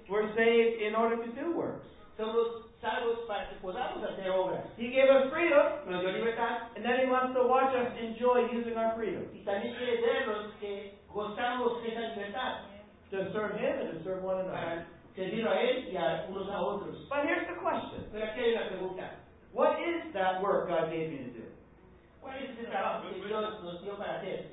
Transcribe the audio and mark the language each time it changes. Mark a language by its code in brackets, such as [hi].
[en] we're saved in order to do works. [es] Somos salvos para que podamos hacer obras. [en] He gave us freedom. [es] Nos dio libertad. [en] And then he wants to watch us enjoy using our freedom. [es] Y también quiere vernos que gozamos de esa libertad. [en] To serve him and to serve one another. [es] Servir a él y a unos a otros. [en] But here's the question. [es] Pero aquí hay la pregunta. [en] What is that work God gave me to do? [es] ¿Cuál es ese trabajo que Dios nos dio para hacer?